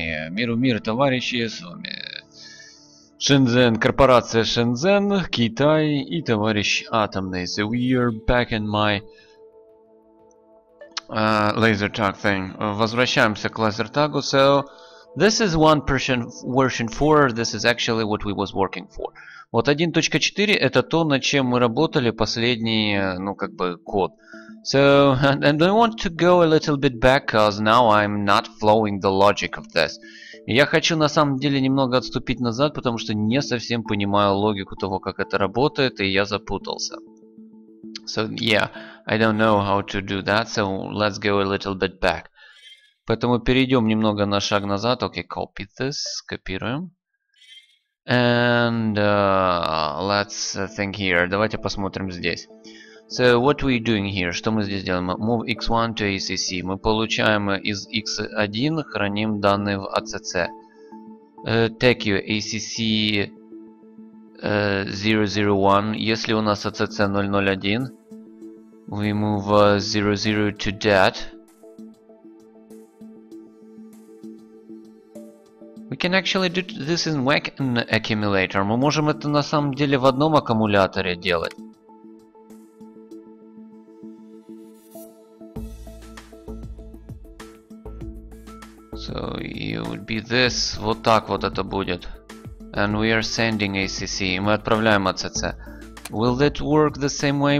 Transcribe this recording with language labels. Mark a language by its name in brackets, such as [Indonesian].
[Russian] Миру мир, товарищи, с вами Шэньчжэнь, корпорация Шэньчжэнь, Китай и товарищ Атомный. [English] So we are back in my laser tag thing. [Russian] Возвращаемся к лазер тагу. [English] So this is one person version 4, this is actually what we was working for. [Russian] Вот 1.4 это то, над чем мы работали последний, ну как бы, код. [English] So, and I want to go a little bit back, because now I'm not following the logic of this. [Russian] Я хочу на самом деле немного отступить назад, потому что не совсем понимаю логику того, как это работает, и я запутался. [English] So, yeah, I don't know how to do that, so let's go a little bit back. [Russian] Поэтому перейдем немного на шаг назад. [English] Okay, copy this, [Russian] копируем. [English] And let's think here. [Russian] Давайте посмотрим здесь. [English] So what we doing here? [Russian] Что мы здесь делаем? [English] Move x1 to ACC. [Russian] Мы получаем из x1, храним данные в ACC. [English] Take your ACC 001. [Russian] Если у нас [English] ACC 001, we move 00 to that. We can actually do this in WAC accumulator. [Russian] Мы можем это на самом деле в одном аккумуляторе делать. [English] So it would be this. [Russian] Вот так вот это будет. [English] And we are sending ACC. [Russian] Мы отправляем ACC. [English] Will that work the same way?